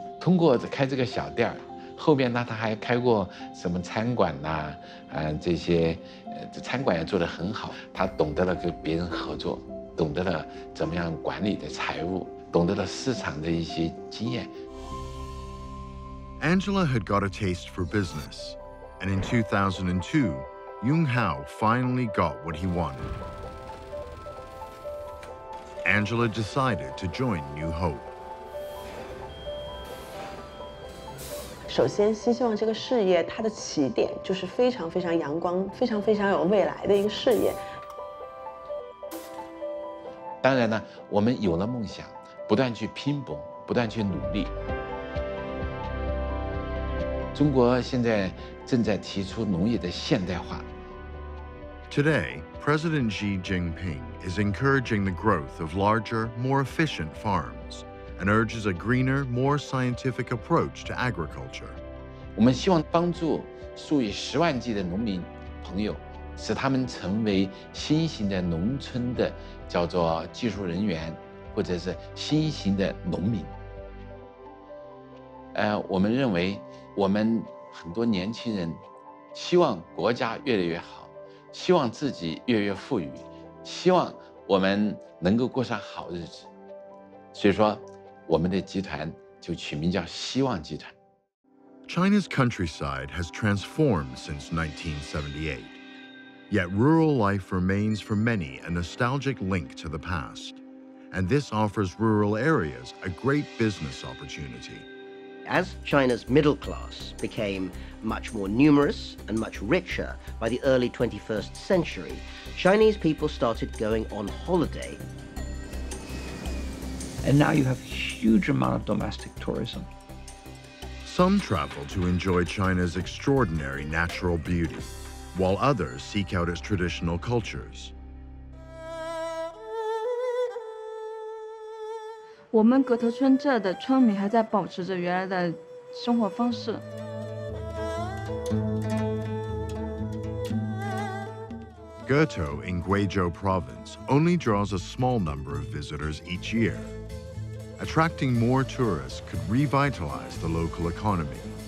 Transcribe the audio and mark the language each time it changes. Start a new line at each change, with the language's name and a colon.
Chinese: 通过开这个小店，后面呢，他还开过什么餐馆呐、这些，餐馆也做得很好，他懂得了跟别人合作。懂得了怎么样管理的财务，懂得了市场的一些经验。
English: Angela had got a taste for business, and in 2002, Yung Hao finally got what he wanted. Angela decided to join New Hope.
Chinese: 首先，新希望这个事业它的起点就是非常非常阳光、非常非常有未来的一个事业。当然呢，我们有了梦想，不断去拼搏，不断去努力。中国现在正在提出农业的现代化。
English: Today, President Xi Jinping is encouraging the growth of larger, more efficient farms, and urges a greener, more scientific approach to agriculture.
Chinese: 我们希望帮助数以十万计的农民朋友，使他们成为新型的农村的叫做技术人员，或者是新型的农民。我们认为我们很多年轻人希望国家越来越好，希望自己越来越富裕，希望我们能够过上好日子。所以说我们的集团就取名叫希望集团。
English: China's countryside has transformed since 1978. Yet rural life remains for many a nostalgic link to the past. And this offers rural areas a great business opportunity. As China's middle class became much more numerous and much richer by the early 21st century, Chinese people started going on holiday. And now you have a huge amount of domestic tourism. Some travel to enjoy China's extraordinary natural beauty. While others seek out its traditional cultures.
Chinese: 我们葛头村这的村民还在保持着原来的生活方式。
English: Goto in Guizhou province only draws a small number of visitors each year. Attracting more tourists could revitalize the local economy.